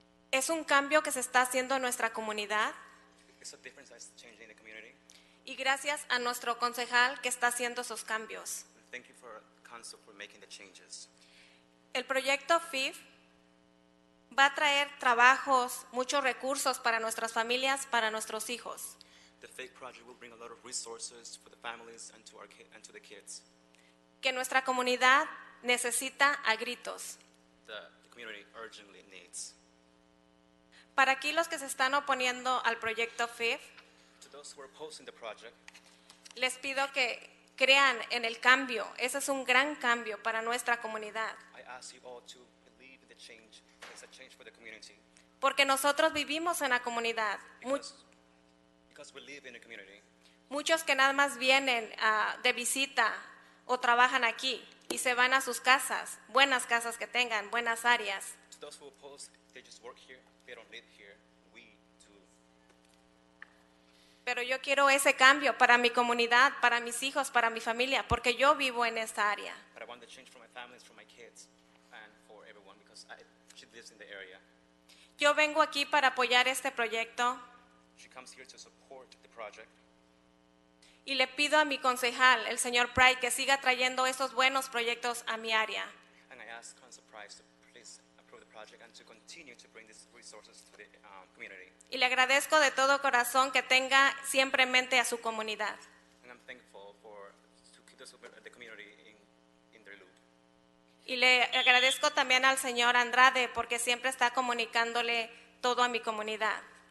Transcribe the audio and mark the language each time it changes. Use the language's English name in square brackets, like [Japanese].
[Spanish] Es un cambio que se está haciendo en nuestra comunidad. [English] It's a difference that's changing the community. [Spanish] Y gracias a nuestro concejal que está haciendo esos cambios. [English] Thank you for council for making the changes. [Spanish] El proyecto FIF va a traer trabajos, muchos recursos para nuestras familias, para nuestros hijos. [English] The FIG project will bring a lot of resources for the families and to our and to the kids. [Spanish] Que nuestra comunidad necesita a gritos. [English] The community urgently needs. [Spanish] Para aquí los que se están oponiendo al proyecto FIF, [English] to those who are opposing the project, [Spanish] les pido que crean en el cambio. Ese es un gran cambio para nuestra comunidad. [English] I ask you all to believe in the change. It's a change for the community. [Spanish] Porque nosotros vivimos en la comunidad. [English] Because we live in a community. [Spanish] Muchos que nada más vienen de visita o trabajan aquí y se van a sus casas, buenas casas que tengan, buenas áreas. [English] To those who oppose, they just work here, they don't live here, we do. [Spanish] Pero yo quiero ese cambio para mi comunidad, para mis hijos, para mi familia, porque yo vivo en esta área. [English] But I want the change for my families, for my kids, and for everyone, because she lives in the area. [Spanish] Yo vengo aquí para apoyar este proyecto. [English] She comes here to support the project. [Spanish] Y le pido a mi concejal, el señor Pride, que siga trayendo esos buenos proyectos a mi área. [English] And I ask Council Pride to please approve the project and to continue to bring these resources to the community. [Spanish] Y le agradezco de todo corazón que tenga siempre en mente a su comunidad. [English] And I'm thankful for to keep the community in their loop. [Spanish] Y le agradezco también al señor Andrade porque siempre está comunicándole todo a mi comunidad.